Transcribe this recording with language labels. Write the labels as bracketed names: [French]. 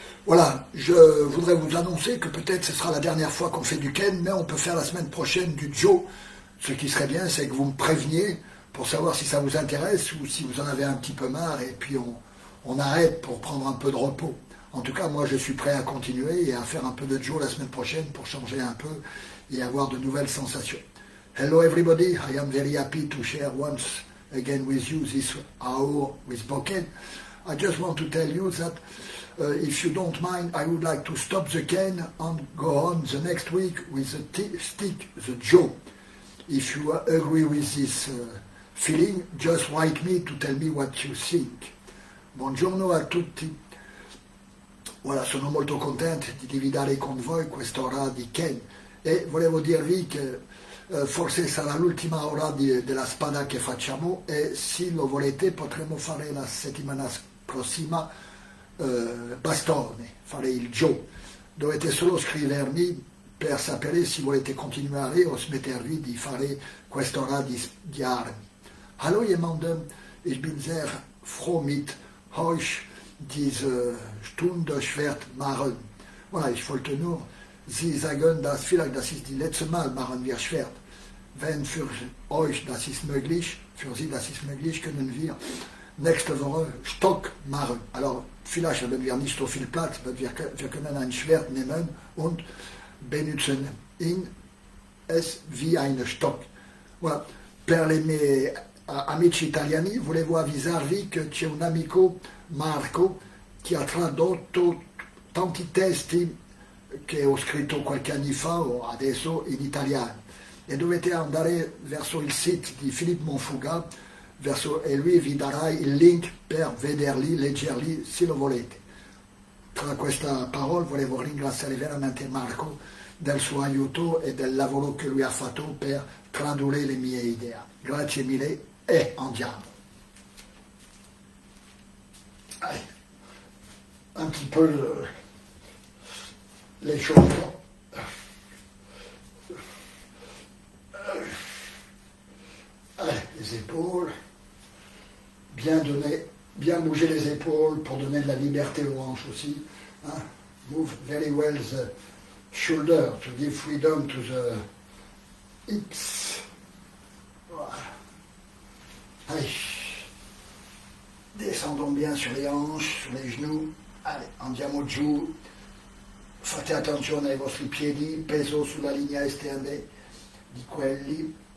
[French] Voilà, je voudrais vous annoncer que peut-être ce sera la dernière fois qu'on fait du Ken, mais on peut faire la semaine prochaine du Joe. Ce qui serait bien, c'est que vous me préveniez pour savoir si ça vous intéresse ou si vous en avez un petit peu marre et puis on arrête pour prendre un peu de repos. En tout cas, moi, je suis prêt à continuer et à faire un peu de Joe la semaine prochaine pour changer un peu et avoir de nouvelles sensations. [English] Hello everybody, I am very happy to share once again with you this hour with Boken. I just want to tell you that if you don't mind, I would like to stop the Ken and go on the next week with the stick, the Joe. If you agree with this feeling, just write me to tell me what you think. [Italian] Buongiorno a tutti. Voilà, sono molto contento di dividere con voi quest'ora di Ken. E volevo dirvi che forse sarà l'ultima ora della spada che facciamo e se lo volete potremo fare la settimana prossima bastone, fare il Joe. Dovete solo scrivermi per sapere se volete continuare o smettervi di fare quest'ora di armi. [German] Hallo jemandem, ich bin sehr froh mit euch diese Stunde schwert machen. Voilà, ich wollte nur Sie sagen, dass vielleicht das ist die letzte Mal machen wir schwert. Wenn für euch das ist möglich, für Sie das ist möglich, können wir nächste Woche Stock machen. Alors, vielleicht haben wir nicht so viel Platz, aber wir können ein Schwert nehmen und benutzen ihn es wie einen Stock. Voilà. [Italian] Per le mie amici italiani, volevo avvisarvi che c'è un amico, Marco, che ha tradotto tanti testi che ho scritto qualche anno fa o adesso in italiano. E dovete andare verso il sito di Philippe Monfuga, e lui vi darà il link per vederli, leggerli se lo volete. Tra questa parola volevo ringraziare veramente Marco del suo aiuto e del lavoro che lui ha fatto per tradurre le mie idee. Grazie mille e andiamo. [French] Un petit peu l'échauffement. Les épaules, bien bouger les épaules pour donner de la liberté aux hanches aussi. Hein? [English] Move very well the shoulder to give freedom to the hips. [French] Allez, descendons bien sur les hanches, sur les genoux. [Italian] Allez, andiamo giù. Fate attenzione ai vostri piedi, peso sulla linea esterna di quelli.